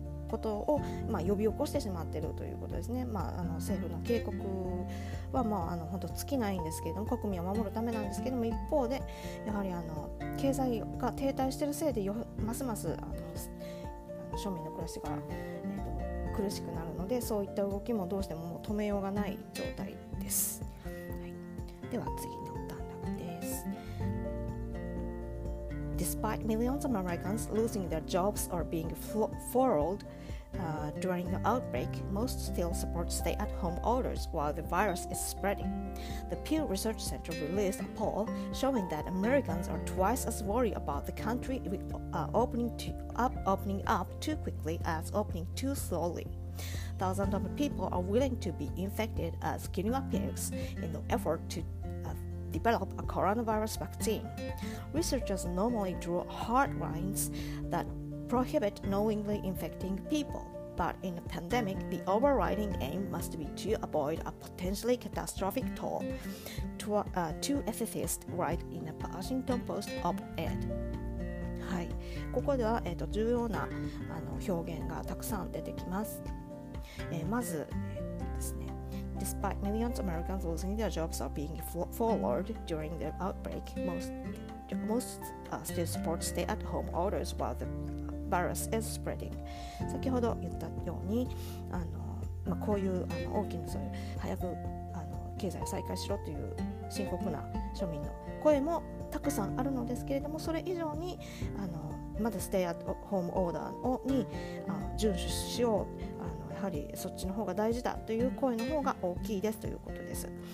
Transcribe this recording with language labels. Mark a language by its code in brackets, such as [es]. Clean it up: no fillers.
[ja] ことを、呼び起こしてしまっているということですね。政府の警告は、本当尽きないんですけれども、国民を守るためなんですけれども、一方でやはり経済が停滞しているせいで、ますます庶民の暮らしが苦しくなるので、そういった動きもどうしても、もう止めようがない状態です。はい、では次の段落です。 [en] Despite millions of Americans losing their jobs or being furloughed during the outbreak, most still support stay-at-home orders while the virus is spreading. The Pew Research Center released a poll showing that Americans are twice as worried about the country opening up too quickly as opening too slowly. Thousands of people are willing to be infected as guinea pigs in the effort to develop a coronavirus vaccine. Researchers normally draw hard lines that prohibit knowingly infecting people, but in a pandemic, the overriding aim must be to avoid a potentially catastrophic toll, two ethicists write in a Washington Post op-ed. [ja] はい、ここでは、重要な表現がたくさん出てきます。まず、ですね、 [en] Despite millions of Americans losing their jobs or being furloughed during the outbreak, most still support stay-at-home orders while the virus is spreading. [ja] 先ほど言ったように、まあ、こういう大きなそういう早く経済を再開しろという深刻な庶民の声もたくさんあるのですけれども、それ以上にまだステイアットホームオーダーをに遵守しよう、やはりそっちの方が大事だという声の方が大きいですということです。